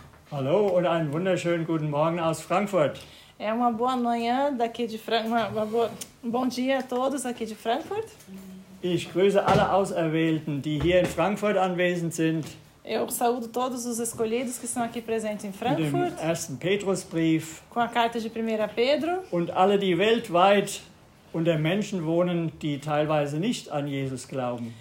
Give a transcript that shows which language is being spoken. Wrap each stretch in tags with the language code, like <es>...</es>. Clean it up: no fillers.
<de>Hallo und einen wunderschönen guten Morgen aus Frankfurt.</de> <pt>É uma boa manhã daqui de Frankfurt. Bom dia a todos aqui de Frankfurt.</pt> <de>Ich grüße alle Auserwählten, die hier in Frankfurt anwesend sind.</de> <pt>Eu saúdo todos os escolhidos que estão aqui presentes em Frankfurt.</pt> <de>Mit dem ersten Petrusbrief.</de> <pt>Com a carta de 1 Pedro.</pt> <de>Und alle, die weltweit unter Menschen wohnen, die teilweise nicht an Jesus glauben.</de>